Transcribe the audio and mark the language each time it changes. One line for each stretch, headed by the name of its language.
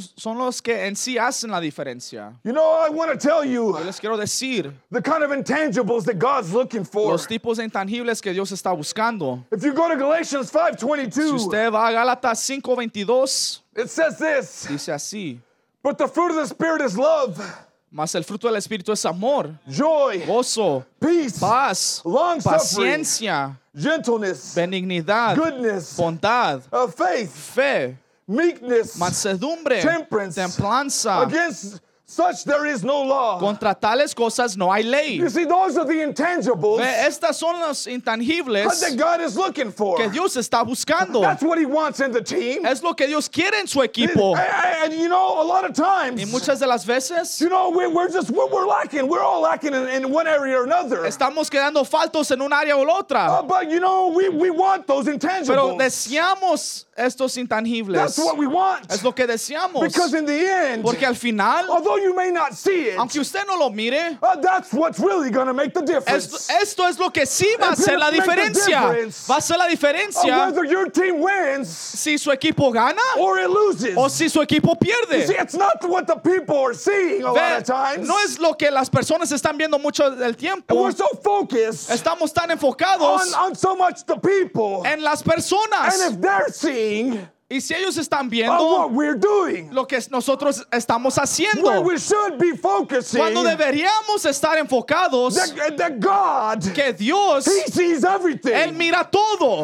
Spanish: Son los que en sí hacen la diferencia.
English: You know, I want to tell you.
Spanish: Yo les quiero decir.
English: The kind of intangibles that God's looking for.
Spanish: Los tipos de intangibles que Dios está buscando.
English: If you go to Galatians 5:22.
Spanish: Si usted va a Gálatas 5:22.
English: It says this.
Spanish: Dice así.
English: But the fruit of the Spirit is love.
Spanish: Mas el fruto del Espíritu es amor.
English: Joy.
Spanish: Gozo.
English: Peace.
Spanish: Paz.
English: Long-suffering.
Spanish: Paciencia.
English: gentleness,
Spanish: benignidad,
English: goodness,
Spanish: bondad,
English: faith,
Spanish: fe,
English: meekness,
Spanish: mansedumbre,
English: temperance,
Spanish: templanza.
English: Against such there is no law.
Spanish: Contra tales cosas no hay ley.
English: You see, those are the intangibles.
Spanish: Estas son los intangibles
English: that God is looking for.
Spanish: Que Dios está buscando.
English: That's what He wants in the team.
Spanish: Es lo que Dios quiere en su equipo.
English: And you know, a lot of times.
Spanish: Y muchas de las veces.
English: You know, we're lacking. We're all lacking in one area or another.
Spanish: Estamos quedando faltos en un área o la otra.
English: But you know, we want those intangibles.
Spanish: Pero deseamos estos intangibles.
English: That's what we want.
Spanish: Es lo que deseamos.
English: Because in the end.
Spanish: Porque al final.
English: Although you may not see it,
Spanish: aunque usted no lo mire,
English: that's what's really going to make the difference.
Spanish: Esto es lo que sí va a hacer la diferencia. Va a ser la diferencia.
English: Whether your team wins,
Spanish: si su equipo gana,
English: or it loses,
Spanish: o si su equipo pierde.
English: You see, it's not what the people are seeing a lot of times.
Spanish: No es lo que las personas están viendo mucho del tiempo.
English: And we're so focused.
Spanish: Estamos tan enfocados
English: on so much the people.
Spanish: En las personas.
English: And if they're seeing.
Spanish: Y si ellos están viendo lo que nosotros estamos haciendo, cuando deberíamos estar enfocados, que Dios, Él mira todo.